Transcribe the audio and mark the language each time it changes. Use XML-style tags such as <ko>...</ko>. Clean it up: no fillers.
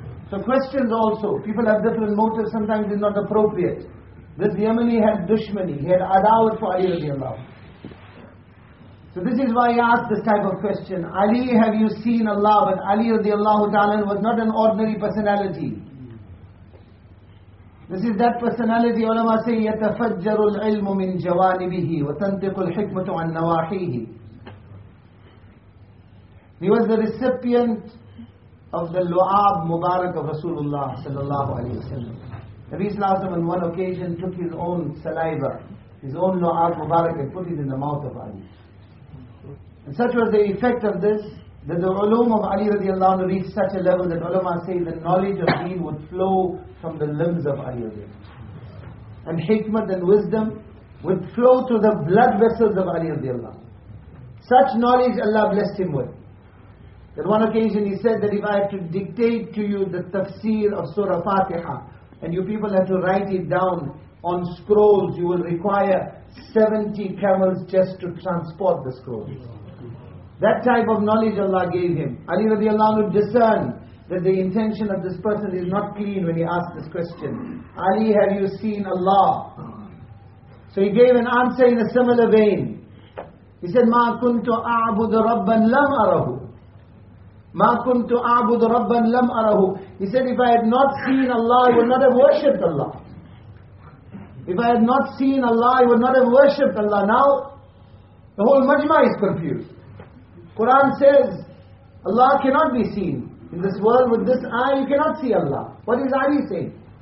<en>So questions also, people have different motives, sometimes it's not appropriate. This Yamani had dushmani, he had adawat for Ali radiallahu. So this is why he asked this type of question. Ali, have you seen Allah? But Ali radiallahu ta'ala was not an ordinary personality. This is that personality, ulama say,</en> <ar>يَتَفَجَّرُ الْعِلْمُ مِنْ جَوَانِبِهِ وَتَنْتِقُ الْحِكْمَةُ عَنْ نَوَاحِيهِ.</ar> <en>He was the recipient of the Lu'ab Mubarak of Rasulullah sallallahu alayhi wa sallam. Nabi sallallahu alayhi wa sallam on one occasion took his own saliva, his own Lu'ab Mubarak, and put it in the mouth of Ali. And such was the effect of this, that the ulum of Ali radiallahu anhu reached such a level that ulama say the knowledge of deen would flow from the limbs of Ali radiallahu anhu. And hikmat and wisdom would flow through the blood vessels of Ali radiallahu anhu. Such knowledge Allah blessed him with. At one occasion he said that if I have to dictate to you the tafsir of Surah Fatiha and you people have to write it down on scrolls, you will require 70 camels just to transport the scrolls. That type of knowledge Allah gave him. Ali radiallahu anhu discerned that the intention of this person is not clean when he asked this question. Ali, have you seen Allah? So he gave an answer in a similar vein. He said,</en> <ar>مَا كُنْتُ أَعْبُدُ رَبًّا لَمْ أَرَهُ. مَا كُنْتُ أَعْبُدُ رَبًّا لَمْ أَرَهُ.</ar> <en>He said, if I had not seen Allah, I would not have worshipped Allah. If I had not seen Allah, I would not have worshipped Allah. Now, the whole majma is confused. Quran says, Allah cannot be seen. In this world, with this eye, you cannot see Allah. What is Ali saying?</en>